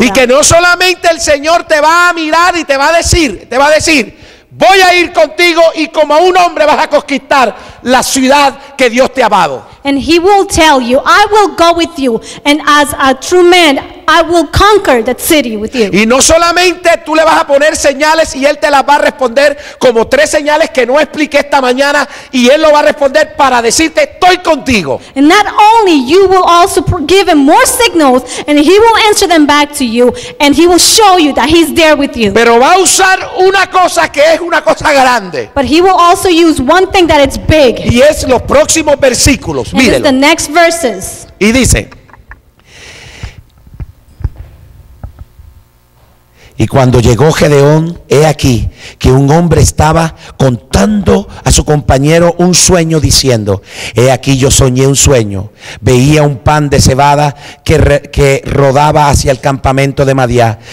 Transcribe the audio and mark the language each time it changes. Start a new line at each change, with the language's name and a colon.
Spanish: that. Y que no solamente el Señor te va a mirar y te va a decir, voy a ir contigo y como un hombre vas a conquistar la ciudad que Dios te ha dado.
English: And He will tell you, I will go with you, and as a true man, I will conquer that city with you.
Spanish: Y no solamente tú le vas a poner señales y Él te las va a responder, como tres señales que no expliqué esta mañana, y Él lo va a responder para decirte estoy contigo.
English: And not only you will also give Him more signals and He will answer them back to you and He will show you that He's there with you.
Spanish: Pero va a usar una cosa que es una cosa grande.
English: But He will also use one thing that it's big.
Spanish: Y es los próximos versículos. Mírelo.
English: And the next verses.
Spanish: Y dice, y cuando llegó Gedeón, he aquí que un hombre estaba contando a su compañero un sueño, diciendo, he aquí yo soñé un sueño, veía un pan de cebada que rodaba hacia el campamento de Madiá,